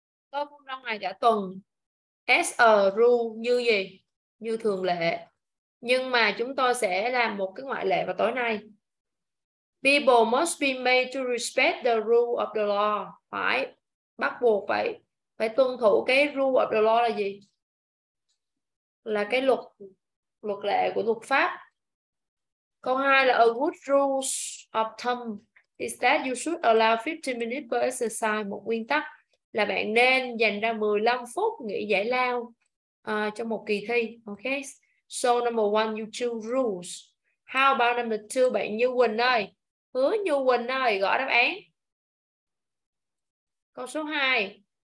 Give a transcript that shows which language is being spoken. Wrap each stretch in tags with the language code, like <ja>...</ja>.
<vi>Tôi không ra ngoài cả tuần.</vi> <en>As a rule</en> <vi>như gì? Như thường lệ. Nhưng mà chúng tôi sẽ làm một cái ngoại lệ vào tối nay.</vi> <en>People must be made to respect the rule of the law.</en> <vi>Phải bắt buộc phải phải tuân thủ cái</vi> <en>rule of the law</en> <vi>là gì? Là cái luật luật lệ của luật pháp. Câu 2 là</vi> <en>a good rule of thumb is that you should allow 15 minutes per exercise.</en> <vi>Một nguyên tắc là bạn nên dành ra 15 phút nghỉ giải lao cho một kỳ thi. Okay.</vi> <en>So number one, you choose rules. How about number two, bạn Như Quỳnh ơi?</en> <vi>Hứa Như Quỳnh ơi, gõ đáp án. Câu số 2.</vi>